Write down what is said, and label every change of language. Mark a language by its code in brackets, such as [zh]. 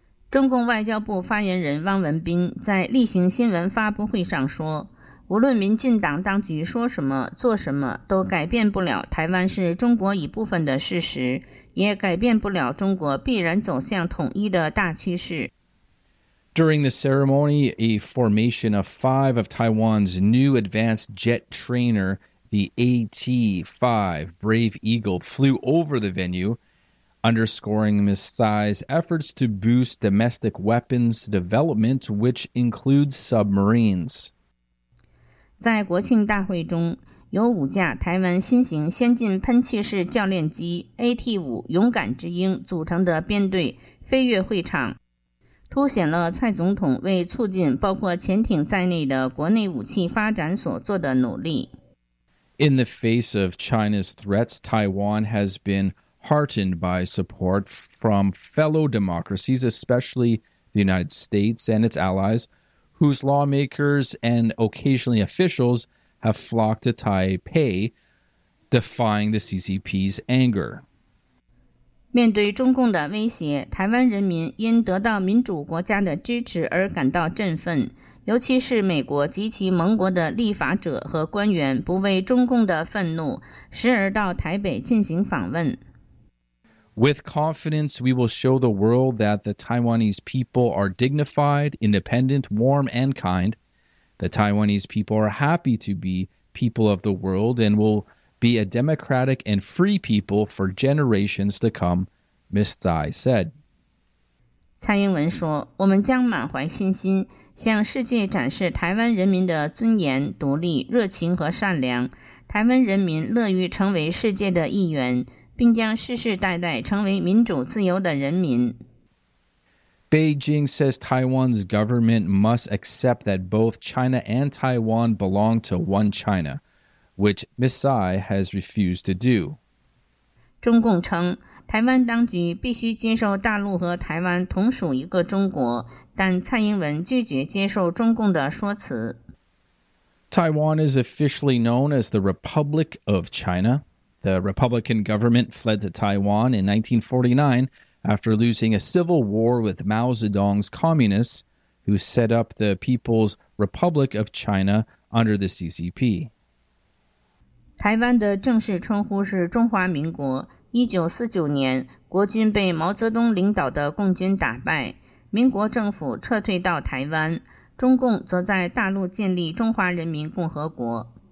[zh] 中共外交部发言人汪文斌在例行新闻发布会上说，无论民进党当局说什么、做什么，都改变不了台湾是中国一部分的事实，也改变不了中国必然走向统一的大趋势。 [en] During the ceremony, a formation of five of Taiwan's new advanced jet trainer, the AT-5 Brave Eagle, flew over the venue, underscoring Ms. Tsai's efforts to boost domestic weapons development, which includes submarines. [zh] 在国庆大会中，有五架台湾新型先进喷气式教练机 AT-5 勇敢之鹰组成的编队飞越会场。凸显了蔡总统为促进包括潜艇在内的国内武器发展所做的努力。 [en] In the face of China's threats, Taiwan has been heartened by support from fellow democracies, especially the United States and its allies, whose lawmakers and occasionally officials have flocked to Taipei, defying the CCP's anger. [zh] 面对中共的威胁，台湾人民因得到民主国家的支持而感到振奋，尤其是美国及其盟国的立法者和官员不畏中共的愤怒，时而到台北进行访问。 [en] With confidence, we will show the world that the Taiwanese people are dignified, independent, warm, and kind. The Taiwanese people are happy to be people of the world and will... be a democratic and free people for generations to come, Ms. Tsai said. [zh] 蔡英文说，我们将满怀信心，向世界展示台湾人民的尊严、独立、热情和善良。台湾人民乐于成为世界的一员，并将世世代代成为民主自由的人民。 [en] Beijing says Taiwan's government must accept that both China and Taiwan belong to one China. Which Ms. Tsai has refused to do. [zh] 中共称，台湾当局必须接受大陆和台湾同属一个中国，但蔡英文拒绝接受中共的说辞。 [en] Taiwan is officially known as the Republic of China. The Republican government fled to Taiwan in 1949 after losing a civil war with Mao Zedong's communists, who set up the People's Republic of China under the CCP. [zh] 台湾的正式称呼是中华民国。1949年，国军被毛泽东领导的共军打败，民国政府撤退到台湾，中共则在大陆建立中华人民共和国。